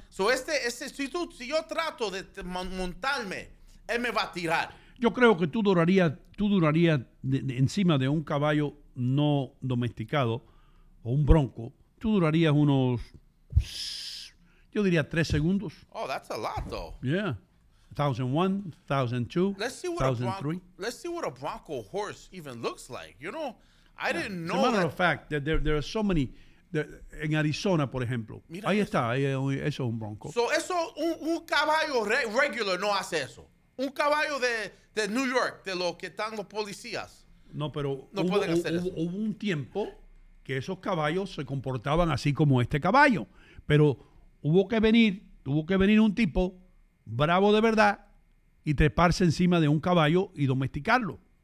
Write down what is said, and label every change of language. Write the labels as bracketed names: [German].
[Spanish] So si yo trato de montarme, él me va a tirar. Yo creo que tú durarías encima de un caballo no domesticado, o un bronco, tú durarías unos, yo diría, 3 segundos. [English] Oh, that's a lot, though. Yeah. 1,001, 1,002, 1,003. Let's see what a bronco horse even looks like, you know? I didn't know. As a matter of fact, that there are so many in Arizona, por ejemplo. [Spanish] Mira, ahí está, eso es un bronco. So eso un caballo regular no hace eso. Un caballo de New York, de lo que están los policías. No, pero no pueden hacer eso. Hubo un tiempo que esos caballos se comportaban así como este caballo, pero tuvo que venir un tipo bravo de verdad y treparse encima de un caballo y domesticarlo.